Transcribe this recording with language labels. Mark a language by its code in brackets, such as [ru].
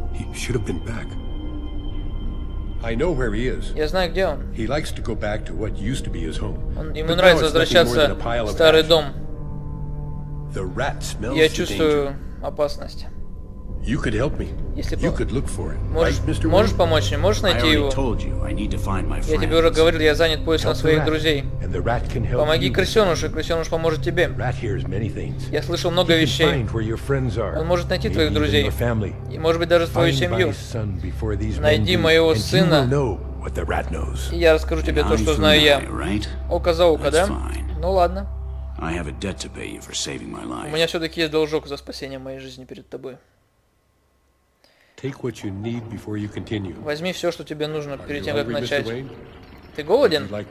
[en] He should have been back. I know where he is. [ru] Я знаю, где он. [en] He likes to go back to what used to be his home. [ru] Ему нравится возвращаться в старый дом. [en] The rat smells. [ru] Я чувствую опасность. [en] You could help me. You could look for it. [ru] Можешь помочь мне? Можешь найти его? Я тебе уже говорил, я занят поиском своих друзей. Помоги крысёнышу, и крысёныш поможет тебе. Я слышал много вещей. Он может найти твоих друзей. И может быть даже твою семью. Найди моего сына. И я расскажу тебе то, что знаю я. Око за око, да? Ну ладно. У меня все-таки есть должок за спасение моей жизни перед тобой. [en] Take what you need before you continue. [ru] Возьми все, что тебе нужно, перед тем, как начать. Ты голоден?